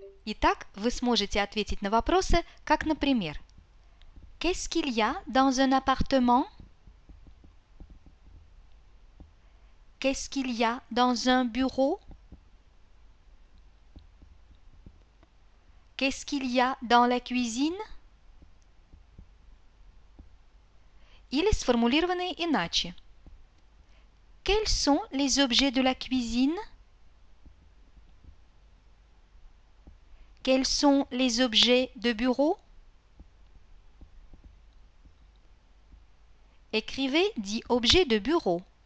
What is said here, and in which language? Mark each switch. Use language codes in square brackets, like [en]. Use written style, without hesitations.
[ru] Итак, вы сможете ответить на вопросы, как, например, [fr] Qu'est-ce qu'il y a dans un appartement? Qu'est-ce qu'il y a dans un bureau? Qu'est-ce qu'il y a dans la cuisine? [ru] Или сформулированные иначе. [fr] Quels sont les objets de la cuisine? Quels sont les objets de bureau? Écrivez dit objet de bureau.